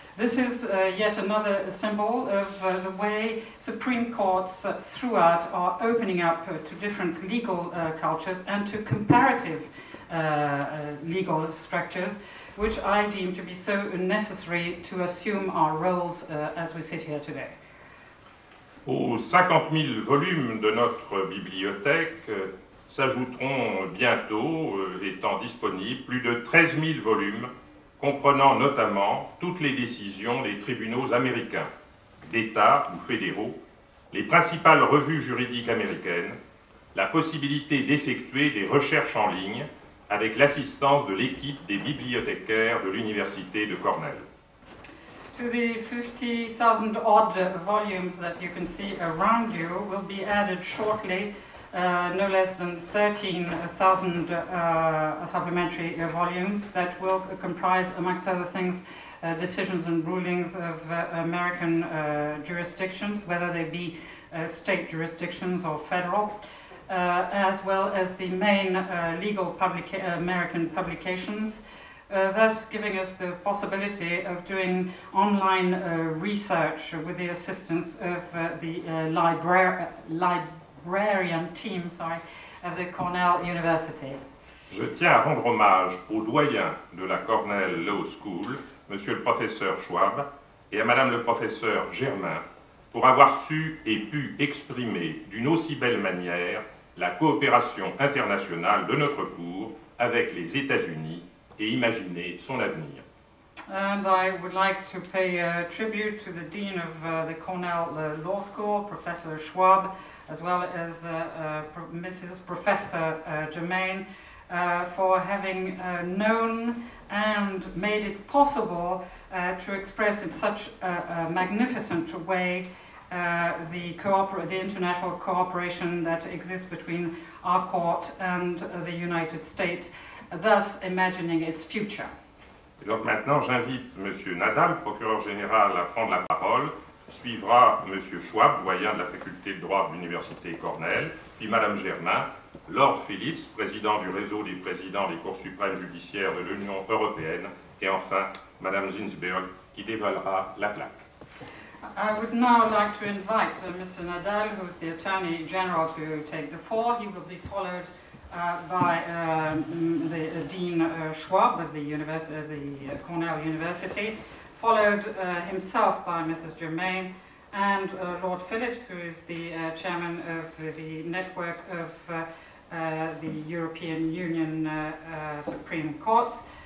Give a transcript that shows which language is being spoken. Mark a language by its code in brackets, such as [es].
[en] This is yet another symbol of the way Supreme Courts throughout are opening up to different legal cultures and to comparative legal structures, which I deem to be so necessary to assume our roles as we sit here today. [fr] Aux 50 000 volumes de notre bibliothèque s'ajouteront bientôt, étant disponibles, plus de 13 000 volumes comprenant notamment toutes les décisions des tribunaux américains, d'État ou fédéraux, les principales revues juridiques américaines, la possibilité d'effectuer des recherches en ligne avec l'assistance de l'équipe des bibliothécaires de l'Université de Cornell. [en] To the 50,000 odd volumes that you can see around you will be added shortly no less than 13,000 supplementary volumes that will comprise, amongst other things, decisions and rulings of American jurisdictions, whether they be state jurisdictions or federal, as well as the main legal American publications, thus giving us the possibility of doing online research with the assistance of the librarian team, sorry, of the Cornell University. [fr] Je tiens à rendre hommage au doyen de la Cornell Law School, Monsieur le professeur Schwab, et à Madame le professeur Germain, pour avoir su et pu exprimer d'une aussi belle manière la coopération internationale de notre cours avec les États-Unis et imaginer son avenir. [en] And I would like to pay a tribute to the Dean of the Cornell Law School, Professor Schwab, as well as Mrs. Professor Germain, for having known and made it possible to express in such a magnificent way the international cooperation that exists between our court and the United States, thus imagining its future. [fr] Et donc maintenant, j'invite M. Nadal, procureur général, à prendre la parole. Suivra M. Schwab, doyen de la faculté de droit de l'Université Cornell, puis Mme Germain, Lord Phillips, président du réseau des présidents des cours suprêmes judiciaires de l'Union européenne, et enfin Mme Zinsberg, qui dévoilera la plaque. [en] I would now like to invite Mr. Nadal, who is the Attorney General, to take the floor. He will be followed by the Dean Schwab of the Cornell University, followed himself by Mrs. Germain and Lord Phillips, who is the Chairman of the Network of the European Union Supreme Courts.